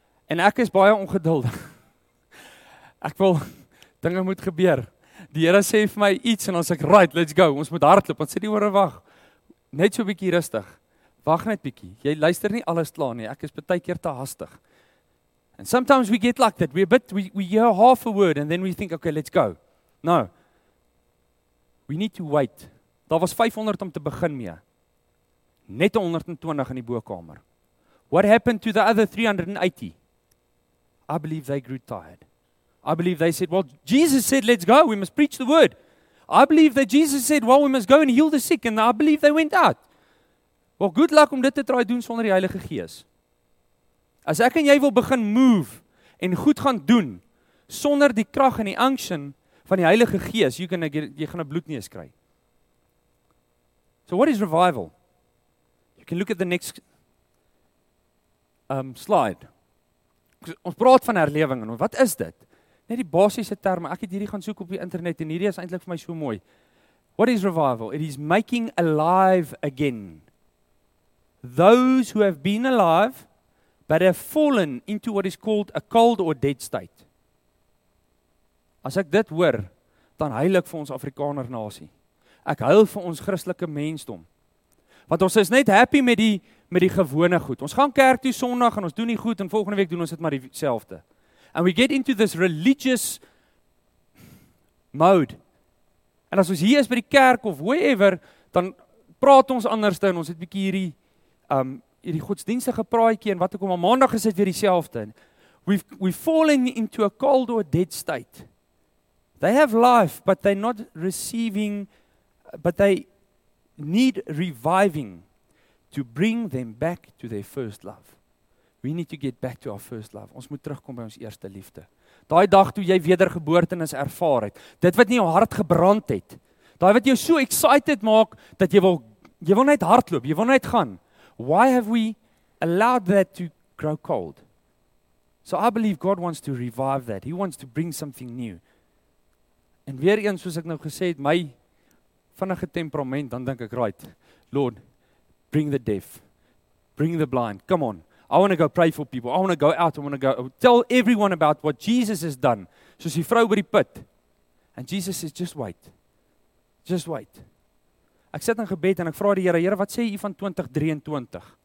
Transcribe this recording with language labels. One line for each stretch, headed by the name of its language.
Afrikaans: En ek is baie ongeduldig. Ek wil, dinge moet gebeur. Die Here sê vir my iets en ons sê,
English: right, let's go.
Afrikaans: Ons moet hardloop, ons sê nie oor wag. Net so bietjie rustig. Wag net bietjie. Jy luister nie alles klaar nie. Ek is baie keer te hastig.
English: And sometimes we get like that. We hear half a word and then we think, okay, let's go. No. We need to wait.
Afrikaans: Daar was 500 om te begin mee. Net 120 in die bokkamer.
English: What happened to the other 380? I believe they grew tired. I believe they said, well, Jesus said, let's go. We must preach the word. I believe that Jesus said, well, we must go and heal the sick. And I believe they went out. Well, good luck
Afrikaans: om dit te try doen sonder die Heilige Gees. As ek en jy wil begin move en goed gaan doen, sonder die krag en die unction van die Heilige Gees, jy gaan 'n bloedneus kry.
English: So what is revival? You can look at the next slide.
Afrikaans: Ons praat van herlewing en wat is dit? Net die basiese terme. Ek het hierdie gaan soek op die internet en hierdie is eintlik vir my so mooi.
English: What is revival? It is making alive again those who have been alive but have fallen into what is called a cold or dead state.
Afrikaans: As ek dit hoor, dan huil ek vir ons Afrikaner nasie. Ek huil vir ons Christelike mensdom. Want ons is net happy met die gewone goed. Ons gaan kerk toe Sondag en ons doen die goed en volgende week doen ons dit maar dieselfde.
English: And we get into this religious mode.
Afrikaans: En as ons hier is by die kerk of wherever, dan praat ons anders dan ons het 'n bietjie hierdie godsdienstige praatjie en wat ek om op Maandag gesit weer dieselfde.
English: We've fallen into a cold or dead state. They have life, but they're not receiving, but they need reviving to bring them back to their first love. We need to get back to our first love.
Afrikaans: Ons moet terugkom by ons eerste liefde. Daai dag toe jy wedergeboortenis ervaar het, dit wat in jou hart gebrand het, daai wat jou so excited maak, dat jy wil net hardloop, jy wil net gaan.
English: Why have we allowed that to grow cold? So I believe God wants to revive that. He wants to bring something new.
Afrikaans: En weer eens, soos ek nou gesê het, my vinnige temperament, dan dink ek,
English: right, Lord, bring the deaf, bring the blind, come on. I want to go pray for people, I want to go out, I want to go, tell everyone about what Jesus has done,
Afrikaans: soos die vrou by die put.
English: And Jesus says, just wait.
Afrikaans: Ek sit in gebed en ek vra die Here, wat sê u van 2023?